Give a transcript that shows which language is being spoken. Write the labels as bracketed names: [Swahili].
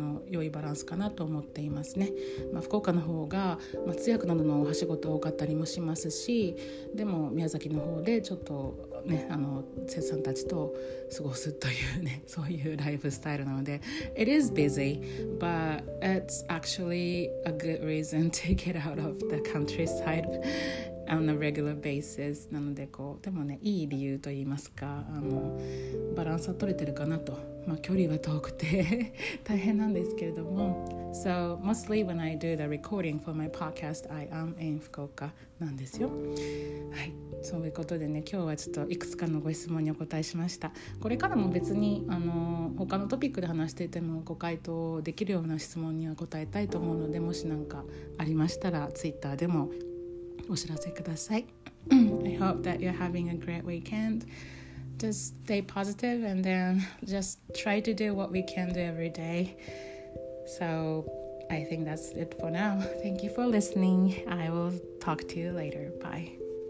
[Japanese] 良いバランスかなと思っていますね。まあ、福岡の方が、まあ、通訳などのお仕事多かったりもしますし、でも宮崎の方でちょっとね、生徒さんたちと過ごすというね、そういうライフスタイルなので、 [English] It is busy, but it's actually a good reason to get out of the countryside on a regular basis. [Japanese] なのでこう、でもね、いい理由といいますか、バランスは取れてるかなと。まあ、距離は遠くて大変なんですけれども、 [English] So mostly when I do the recording for my podcast I am in 福岡 [Japanese] なんですよ。はい、そういうことでね、今日はちょっといくつかのご質問にお答えしました。これからも別に他のトピックで話していてもご回答できるような質問には答えたいと思うので、もし何かありましたらツイッターでもお知らせください。 [English] I hope that you're having a great weekendJust stay positive and then just try to do what we can do every day. So I think that's it for now. Thank you for listening. I will talk to you later. Bye.